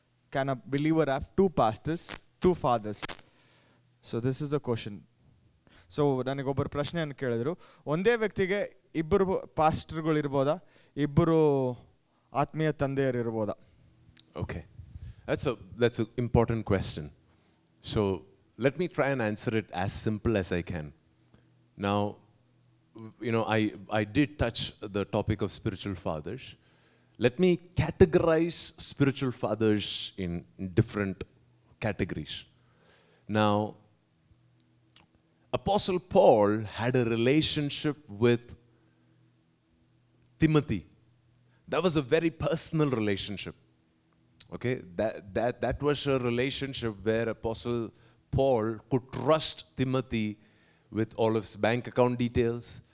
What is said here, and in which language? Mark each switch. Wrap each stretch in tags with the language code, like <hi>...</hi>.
<en>Can a believer have two pastors, two fathers? So this is the question.</en> <kn>So ನನಗೊಬ್ಬರು ಪ್ರಶ್ನೆಯನ್ನು ಕೇಳಿದರು, ಒಂದೇ ವ್ಯಕ್ತಿಗೆ ಇಬ್ಬರು ಪಾಸ್ಟರ್ಗಳಿರ್ಬೋದಾ, ಇಬ್ಬರು ಆತ್ಮೀಯ ತಂದೆಯರು ಇರ್ಬೋದಾ?</kn> <en>Okay, that's a important question. So let me try and answer it as simple as I can. ನಾವು you know I did touch the topic of spiritual fathers. Let me categorise spiritual fathers in different categories. ನಾವು Apostle Paul had a relationship with Timothy. That was a very personal relationship. Okay, that was a relationship where Apostle Paul could trust Timothy with all of his bank account details.</en>